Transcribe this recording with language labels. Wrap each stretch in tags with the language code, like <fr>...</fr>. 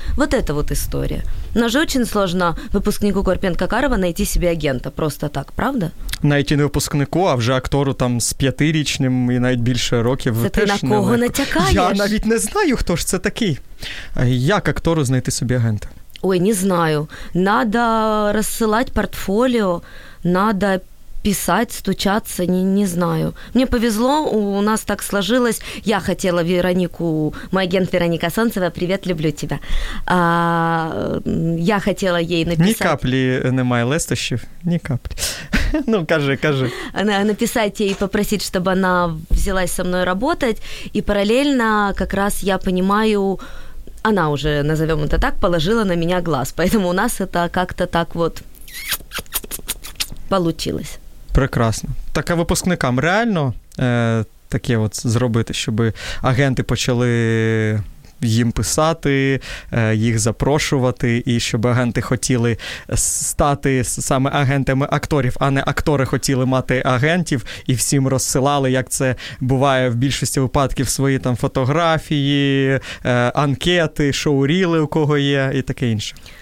<ru>Вот это вот история. Но же очень сложно выпускнику Карпенко-Карова найти себе агента просто так, правда? Найти не выпускнику, а уже актору там с</ru> <uk>п'ятирічним и навіть більше років. Це ти на кого натякаєш? Я навіть не знаю, хто ж це такий. Як актору знайти собі агента? Ой, не знаю.</uk> <ru>Надо рассылать портфолио, надо писать, стучаться, не знаю. Мне повезло, у нас так сложилось. Я хотела Веронику, мой агент Вероника Солнцева, привет, люблю тебя. Я хотела ей написать... Ни капли</ru> <uk>немає лестощів,</uk> <ru>ни капли.</ru> <uk>Ну, кажи.</uk> <ru>Написать ей и попросить, чтобы она взялась со мной работать. И параллельно как раз я понимаю... Она уже, назовем это так, положила на меня глаз. Поэтому у нас это как-то так вот получилось. Прекрасно. Так, а выпускникам реально таке вот сделать, чтобы агенты</ru> <uk>почали їм писати, їх запрошувати, і щоб агенти хотіли стати саме агентами акторів, а не актори хотіли мати агентів, і всім розсилали, як це буває в більшості випадків, свої там фотографії, анкети, шоуріли у кого є, і таке інше.</uk>